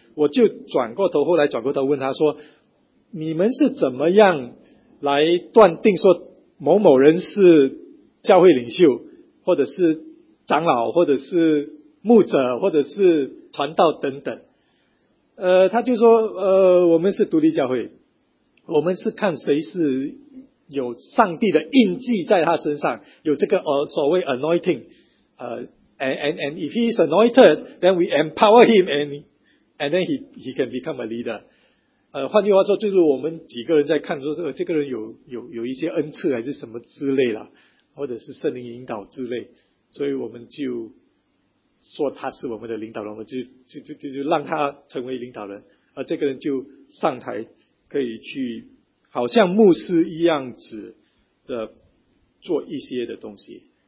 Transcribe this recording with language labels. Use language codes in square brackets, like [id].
[zh] 我就转过头，后来转过头问他说，你们是怎么样来断定说某某人是教会领袖或者是长老或者是牧者或者是传道等等。他就说我们是独立教会，我们是看谁是有上帝的印记在他身上，有这个所谓 [en] anointing， and if he is anointed then we empower him and then he can become a leader。 [zh] 换句话说，就是我们几个人在看说，这个人有一些恩赐还是什么之类啦，或者是圣灵引导之类，所以我们就说他是我们的领导人，我们就让他成为领导人，而这个人就上台可以去好像牧师一样子的做一些的东西。